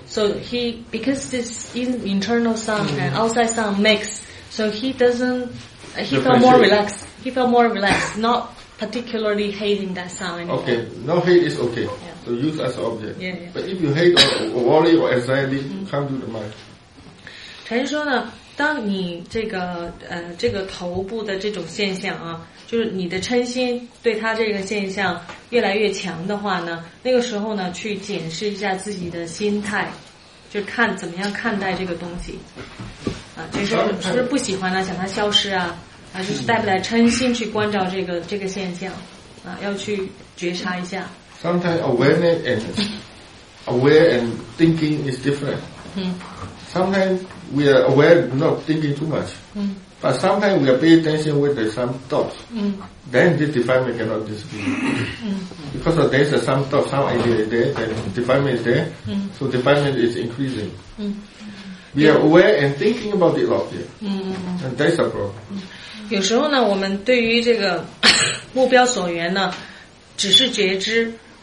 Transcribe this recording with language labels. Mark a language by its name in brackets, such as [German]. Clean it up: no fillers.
[English] So he, because this internal sound and outside sound mix, so he doesn't, he felt more relaxed, not particularly hating that sound anymore. Okay, no hate is okay. Yeah. So use as an object. Yeah, yeah. But if you hate or worry or anxiety, come to the mind. [Chinese] 陈说呢, 当你这个头部的这种现象啊, 就是你的嗔心对他这个现象越来越强的话呢, 那个时候呢, 去检视一下自己的心态, 就看怎么样看待这个东西, 就是不喜欢呢, 想它消失啊, 就是带不来嗔心去关照这个现象, 要去觉察一下。 [English] Sometimes awareness and aware and thinking is different. Sometimes we are aware not thinking too much. But sometimes we are paying attention with some thoughts. Then this defilement cannot disappear. Because there is some thought, some idea there, then defilement is there. So defilement is increasing. We are aware and thinking about the object. And that's a problem. [Chinese] 有时候呢，我们对于这个目标所缘呢，只是觉知。